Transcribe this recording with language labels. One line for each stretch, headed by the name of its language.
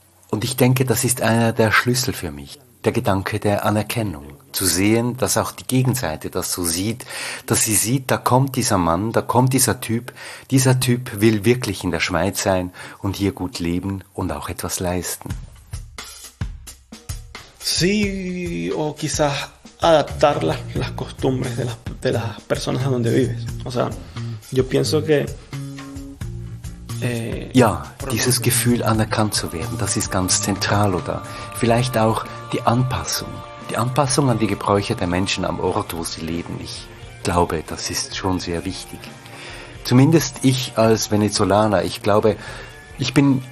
German: Und ich denke, das ist einer der Schlüssel für mich. Der Gedanke der Anerkennung, zu sehen, dass auch die Gegenseite das so sieht, dass sie sieht, da kommt dieser Mann, da kommt dieser Typ will wirklich in der Schweiz sein und hier gut leben und auch etwas leisten.
Spanish: Sí, o quizás adaptar las costumbres de las personas a donde vives. O sea, yo pienso que
German: ja, dieses Gefühl anerkannt zu werden, das ist ganz zentral, oder vielleicht auch Die Anpassung an die Gebräuche der Menschen am Ort, wo sie leben. Ich glaube, das ist schon sehr wichtig. Zumindest ich als Venezolaner, ich glaube, ich bin